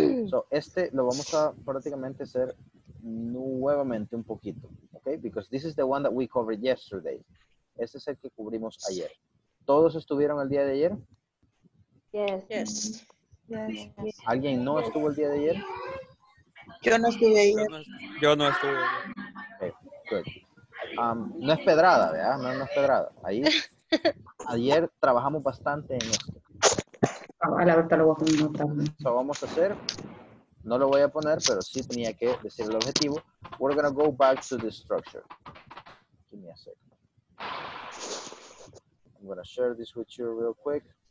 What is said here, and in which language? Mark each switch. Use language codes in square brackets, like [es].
[es] So este lo vamos a prácticamente hacer nuevamente un poquito, okay? [en] Because this is the one that we covered yesterday. [es] Este es el que cubrimos ayer. ¿Todos estuvieron el día de ayer? [en] Yes. [es] ¿Alguien no estuvo el día de ayer? Yo no estuve ayer. Yo no estuve. [en] Okay, good. [es] No es pedrada, ¿verdad? No es pedrada. Ahí, ayer trabajamos bastante en esto. A la verdad lo voy a poner también. Lo vamos a hacer. No lo voy a poner, pero sí tenía que decir el objetivo. [en] We're going to go back to the structure. Give me a second. I'm going to share this with you real quick.